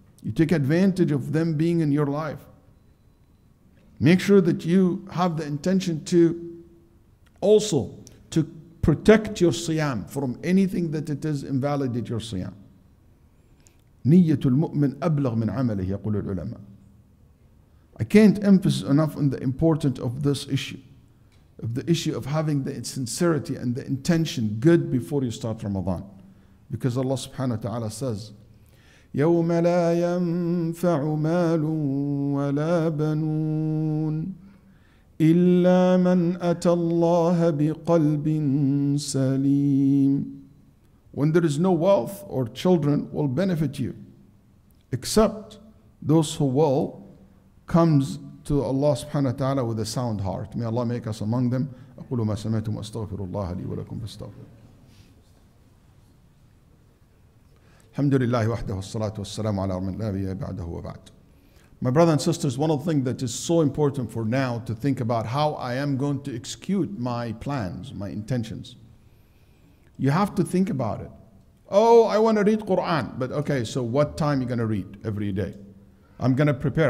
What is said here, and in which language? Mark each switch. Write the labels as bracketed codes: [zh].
[en] You take advantage of them being in your life. Make sure that you have the intention to also to protect your siyam from anything that it is invalidate your siyam. [ar] نِيَّةُ الْمُؤْمِنْ أَبْلَغْ مِنْ عَمَلِهِ يَقُولُ الْعُلَمَاءُ. [en] I can't emphasize enough on the importance of this issue, of the issue of having the sincerity and the intention good before you start Ramadan. Because Allah subhanahu wa ta'ala says, [ar] يَوْمَ لَا يَنْفَعُ مَالٌ وَلَا بَنُونَ إِلَّا مَنْ أَتَى اللَّهَ بِقَلْبٍ سَلِيمٍ. [en] When there is no wealth or children will benefit you, except those who will comes to Allah subhanahu wa ta'ala with a sound heart. May Allah make us among them. [ar] أَقُلُ مَا سَمَيْتُمْ أَسْتَغْفِرُ اللَّهَ لِي وَلَكُمْ فَاسْتَغْفِرُ. الحمد لله وحده والصلاة والسلام على من لا نبي بعده وبعد. [en] My brothers and sisters, one of the things that is so important for now to think about how I am going to execute my plans, my intentions. You have to think about it. Oh, I want to read Quran, but okay, so what time are you going to read every day? I'm going to prepare.